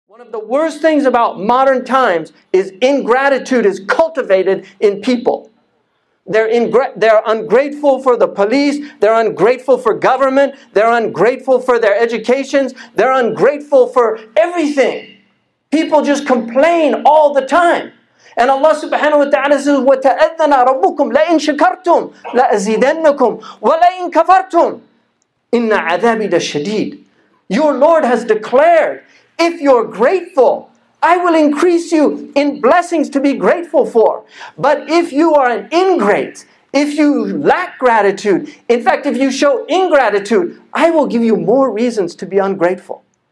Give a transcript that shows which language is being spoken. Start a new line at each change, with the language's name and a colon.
English: One of the worst things about modern times is ingratitude is cultivated in people. They're ungrateful for the police. They're ungrateful for government. They're ungrateful for their educations. They're ungrateful for everything. People just complain all the time. And Allah subhanahu wa ta'ala says,
Arabic: وَتَأَذَّنَا رَبُّكُمْ لَإِن شَكَرْتُمْ لَأَزِيدَنَّكُمْ وَلَإِن كَفَرْتُمْ إِنَّ عَذَابِي لَشَدِيدٌ.
English: Your Lord has declared, if you're grateful, I will increase you in blessings to be grateful for. But if you are an ingrate, if you lack gratitude, in fact, if you show ingratitude, I will give you more reasons to be ungrateful.